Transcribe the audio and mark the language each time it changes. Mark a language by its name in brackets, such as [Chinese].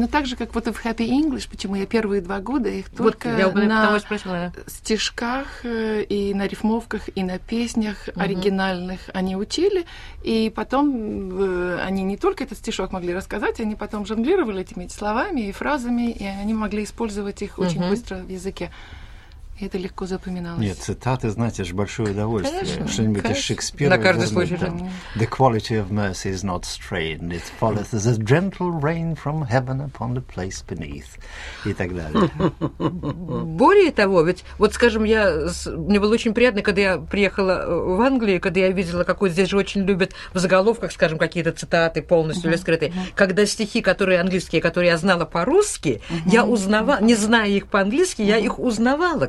[Russian] Но так же, как вот в Happy English, почему я первые два года их только на стишках и на рифмовках, и на песнях оригинальных они учили. И потом они не только этот стишок могли рассказать, они потом жонглировали этими словами и фразами, и они могли использовать их очень быстро в языке. И это легко запоминалось. Нет, цитаты, знаете, это же большое удовольствие. Конечно, что-нибудь конечно. Из Шекспира. На каждый случай. Да. [English] The quality of mercy is not strained. It falleth as a gentle rain from heaven upon the place beneath. [Russian] И так далее. Более того, ведь, вот скажем, мне было очень приятно, когда я приехала в Англию, когда я видела, какой здесь же очень любят в заголовках, скажем, какие-то цитаты полностью или скрытые. Когда стихи, которые английские, которые я знала по-русски, я узнавала, не зная их по-английски, я их узнавала.